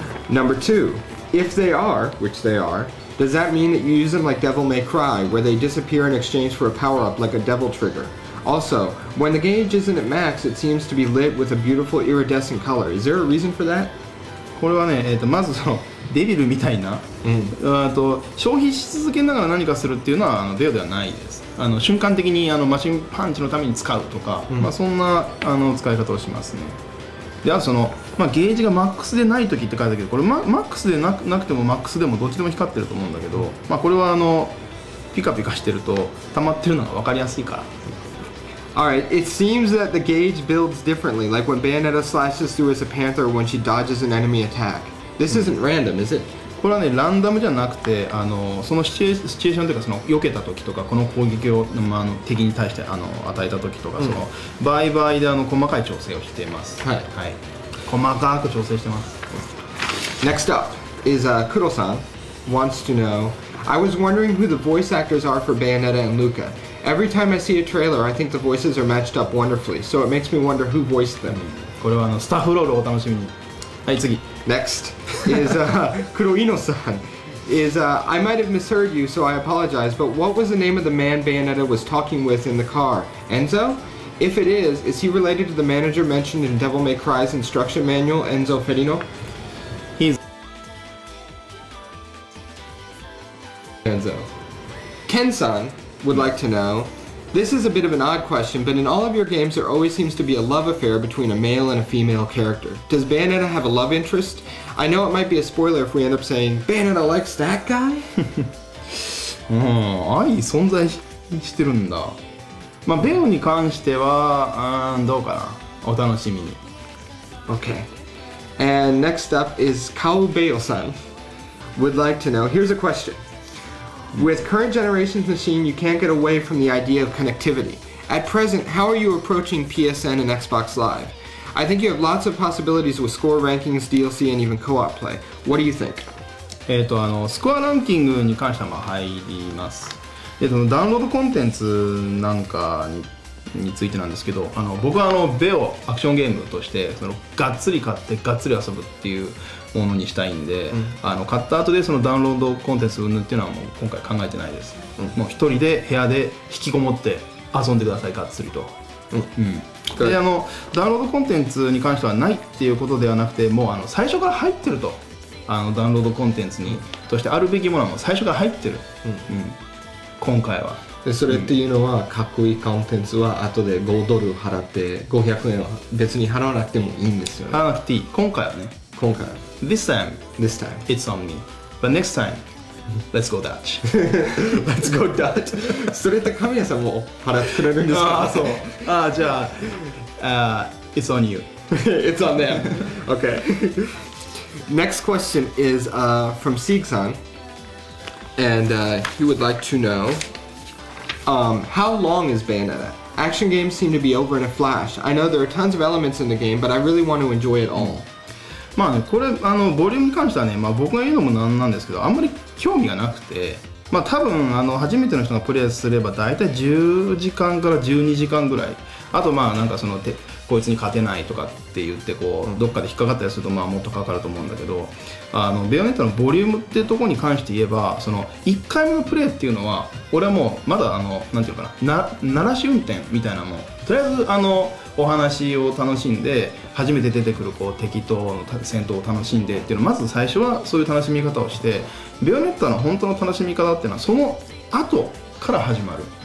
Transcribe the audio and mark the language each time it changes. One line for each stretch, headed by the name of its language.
English: Number two, if they are, which they are,Does that mean that you use them like Devil May Cry, where they disappear in exchange for a power-up like a devil trigger? Also, when the gauge isn't at max, it seems to be lit with a beautiful iridescent color. Is there a reason for that?
Japanese: これはね、まずその、デビルみたいな、消費し続けながら何かするっていうのはデオではないです。瞬間的にマシンパンチのために使うとか、うん、まあそんな使い方をしますね。ではそのまあ、ゲージがマックスでないときって書いてあるけど、これ、マックスでなくてもマックスでもどっちでも光ってると思うんだけど、まあ、これはピカピカしてると、溜まってるのが分かりやすいから。
English: Alright, it seems that the gauge builds differently, like when Bayonetta slashes through as a panther when she dodges an enemy attack. This isn't random, is it?
Japanese: これはね、ランダムじゃなくて、そのシチュエーションというか、その避けたときとか、この攻撃を、まあ、敵に対して与えたときとか、その場合場合で細かい調整をしています。はい。はい細かく調整してます。
English: Next up is Kuro-san wants to know, I was wondering who the voice actors are for Bayonetta and Luca. Every time I see a trailer, I think the voices are matched up wonderfully, so it makes me wonder who voiced them.
Japanese: これはスタッフロールをお楽しみに。はい、次。
English: Next is Kuro-ino-san. I might have misheard you, so I apologize, but what was the name of the man Bayonetta was talking with in the car? Enzo? If it is he related to the manager mentioned in Devil May Cry's instruction manual, Enzo Ferino? He's... Enzo. Ken-san would like to know, this is a bit of an odd question, but in all of your games there always seems to be a love affair between a male and a female character. Does Bayonetta have a love interest? I know it might be a spoiler if we end up saying, Bayonetta likes that guy?
Japanese: Oh, 愛存在してるんだ。まあ、ベオに関しては、どうかな。お楽しみに。
English: Okay. And next up is Kao Beo-san. Would like to know, here's a question. With current generation's machine, you can't get away from the idea of connectivity. At present, how are you approaching PSN and Xbox Live? I think you have lots of possibilities with score rankings, DLC, and even co-op play. What do you think?
Japanese: スコアランキングに関しては入ります。ダウンロードコンテンツなんかについてなんですけど僕はベオアクションゲームとしてそのがっつり買ってがっつり遊ぶっていうものにしたいんで、うん、買った後でそのダウンロードコンテンツうんぬっていうのはもう今回考えてないです、うん、もう一人で部屋で引きこもって遊んでくださいがっつりと、うんうん、でダウンロードコンテンツに関してはないっていうことではなくてもう最初から入ってるとあのダウンロードコンテンツに、うん、としてあるべきものは最初から入ってる、うんうん、今回は。でそれっていうのは、うん、かっこいいコンテンツは後で5ドル払って500円は別に払わなくてもいいんですよね。払わなくていい今回はね。今回は
English: This time This time It's on me But next time Let's go Dutch Let's go Dutch
Japanese: それって神谷さんも払ってくれるんですか、ね、ああそう。ああじゃあ
English: It's on you It's on them OK Next question is from Sieg-san And he would like to knowhow long is Bayonetta? Action games seem to be over in a flash. I know there are tons of elements in the game, but I really want to enjoy it all.
Japanese: まあね、これあのボリュームに関してはね、まあ、僕が言うのもなんなんですけど、あんまり興味がなくて、まあ、多分あの初めての人がプレイすれば大体10時間から12時間ぐらい。あとまあなんかそのこいつに勝てないとかって言ってこうどっかで引っかかったりするとまあもっとかかると思うんだけど、あのベヨネットのボリュームっていうところに関して言えば、その1回目のプレイっていうのは俺はもうまだあのなんていうかな、鳴らし運転みたいなもん、とりあえずあのお話を楽しんで初めて出てくるこう敵との戦闘を楽しんでっていうのをまず最初はそういう楽しみ方をして、ベヨネットの本当の楽しみ方っていうのはその後から始まる、